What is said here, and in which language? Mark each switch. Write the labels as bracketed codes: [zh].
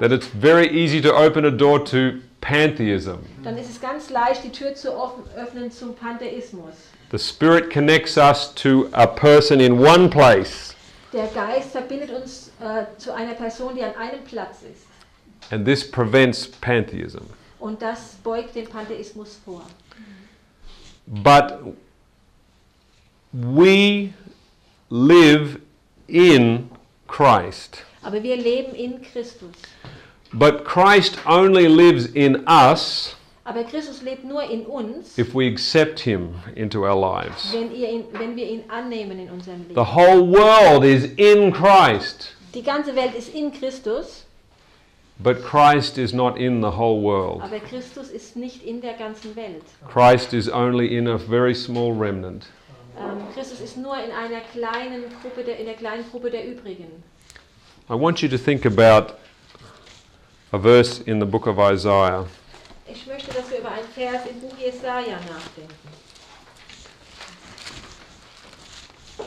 [en] then it's very easy to open a door to pantheism. [de] Dann ist es ganz leicht, die Tür zu öffnen zum Pantheismus. [en] The Spirit connects us to a person in one place. [de] Der Geist verbindet uns zu einer Person, die an einem Platz ist. [en] And this prevents pantheism. [de] Und das beugt den Pantheismus vor. [en] But we live in Christ. [de] Aber wir leben in Christus. [en] But Christ only lives in us. [de] Aber Christus lebt nur in uns. [en] If we accept him into our lives. [de] Wenn wir ihn annehmen in unserem Leben. [en] The whole world is in Christ. [de] Die ganze Welt ist in Christus. [en] But Christ is not in the whole world. [de] Aber Christus ist nicht in der ganzen Welt. [en] Christ is only in a very small remnant. [de] Christus ist nur in einer kleinen Gruppe der übrigen. [en] I want you to think about a verse in the book of Isaiah. [de] Ich möchte, dass wir über einen Vers im Buch Jesaja nachdenken.